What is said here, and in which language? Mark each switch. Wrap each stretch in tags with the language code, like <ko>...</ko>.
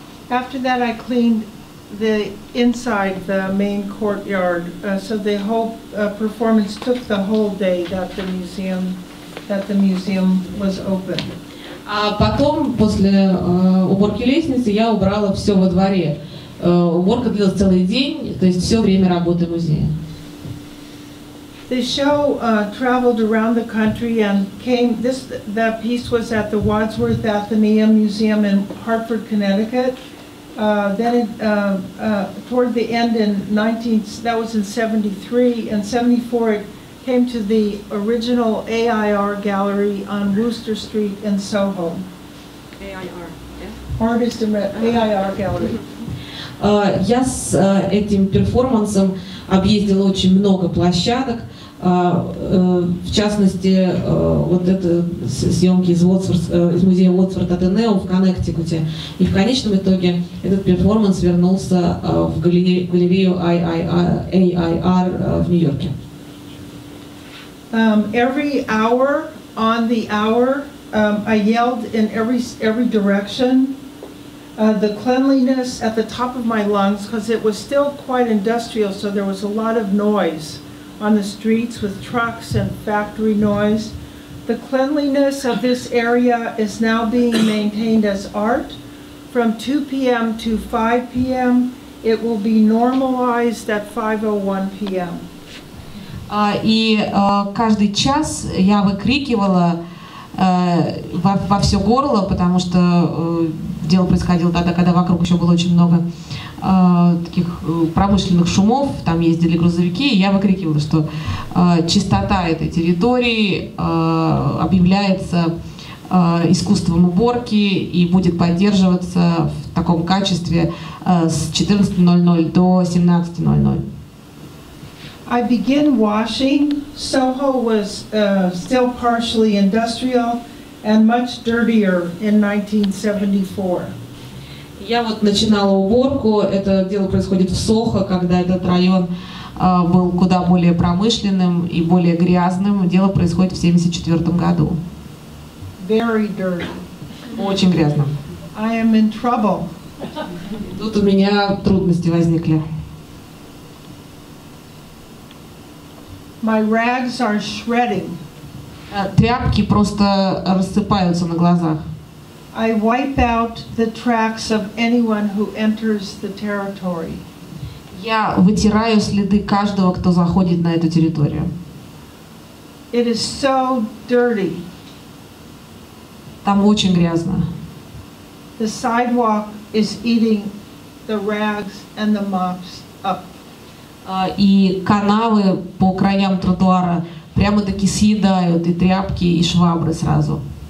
<en>After that, I cleaned the inside, the main courtyard. So the whole performance took the whole day that the museum was open.</en> <ru>А потом, после уборки лестницы, я убрала все во дворе. Уборка длилась целый день, то есть все время работы музея.</ru> <en>The show traveled around the country and came, this, the piece was at the Wadsworth Athenaeum Museum in Hartford, Connecticut. Then toward the end in 1973, it came to the original AIR gallery on Wooster Street in Soho. AIR, yeah? Artist in AIR gallery.</en> <ru>Я с этим перформансом объездила очень много площадок. В частности, вот это съемки из музея Уотсворт Атенео в Коннектикуте. И в конечном итоге этот перформанс вернулся в галерею AIR в Нью-Йорке.</ru> <en>Every hour on the hour, I yelled in every direction. The cleanliness at the top of my lungs, because it was still quite industrial, so there was a lot of noise on the streets with trucks and factory noise. The cleanliness of this area is now being maintained as art. From 2 p.m. to 5 p.m., it will be normalized at 5:01 p.m.</en> <ru>Каждый час я выкрикивала во все горло, потому что дело происходило тогда, когда вокруг еще было очень много таких промышленных шумов, там ездили грузовики, и я выкрикивала, что чистота этой территории объявляется искусством уборки и будет поддерживаться в таком качестве с 14:00 до 17:00.</ru> <en>I begin washing. Soho was still partially industrial and much dirtier in 1974.</en> <ru>Я вот начинала уборку. Это дело происходит в Сохо, когда этот район был куда более промышленным и более грязным. Дело происходит в 1974 году.</ru> <en>Very dirty.</en> <ru>Очень грязно.</ru> <en>I am in trouble.</en> <ru>Тут у меня трудности возникли.</ru> <en>My rags are shredding.</en> <ru>Тряпки просто рассыпаются на глазах.</ru> <en>I wipe out the tracks of anyone who enters the territory.</en> <ru>Я вытираю следы каждого, кто заходит на эту территорию.</ru> <en>It is so dirty.</en> <ru>Там очень грязно.</ru> <en>The sidewalk is eating the rags and the mops up.</en> <ru>И канавы по краям тротуара прямо-таки съедают и тряпки, и швабры сразу.</ru>